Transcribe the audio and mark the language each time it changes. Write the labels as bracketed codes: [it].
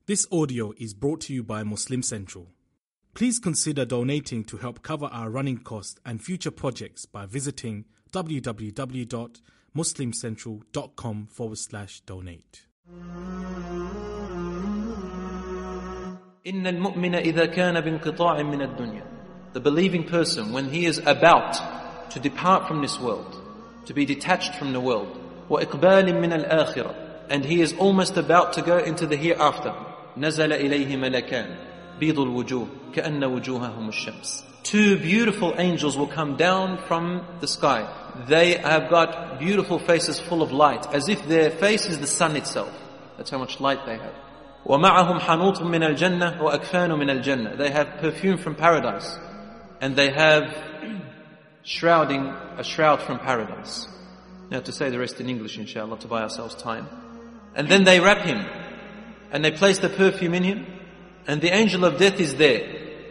[en] This audio is brought to you by Muslim Central. Please consider donating to help cover our running costs and future projects by visiting www.muslimcentral.com/donate. [ar] إن المؤمن إذا كان بانقطاع من الدنيا. [en] The believing person, when he is about to depart from this world, to be detached from the world, [ar] وإقبال من الآخرة, [en] and he is almost about to go into the hereafter. [ar] نزل إليه ملكان بيض الوجوه كأن وجوههم الشمس. [en] Two beautiful angels will come down from the sky. They have got beautiful faces full of light, as if their face is the sun itself. That's how much light they have. [ar] ومعهم حنوط من الجنة وأكفان من الجنة. [en] They have perfume from paradise, and they have a shroud from paradise. Now to say the rest in English, inshallah, to buy ourselves time. And then they wrap him, and they place the perfume in him, and the angel of death is there.